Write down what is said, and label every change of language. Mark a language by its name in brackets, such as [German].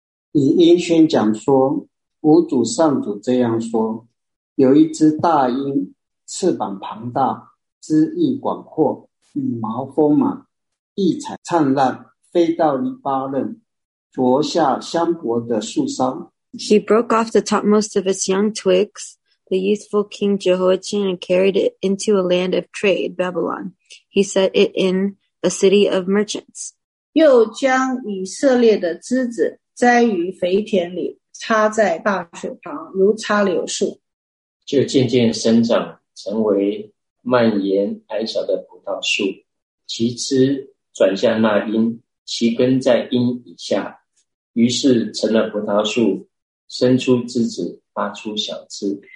[Chinese] 你应宣讲说，吾主上主这样说，有一只大鹰，翅膀庞大，枝翼广阔，羽毛丰满，异彩灿烂，飞到黎巴嫩啄下香柏的树梢。 [English] He broke off the topmost of its young twigs, the youthful king Jehoiachin, and carried it into a land of trade, Babylon. He set it in a city of merchants. [Chinese] 又将以色列的枝子栽于肥田里，插在大水旁，如插柳树。就渐渐生长，成为蔓延矮小的葡萄树，其枝转向那荫，其根在荫以下，于是成了葡萄树，伸出枝子，发出小枝。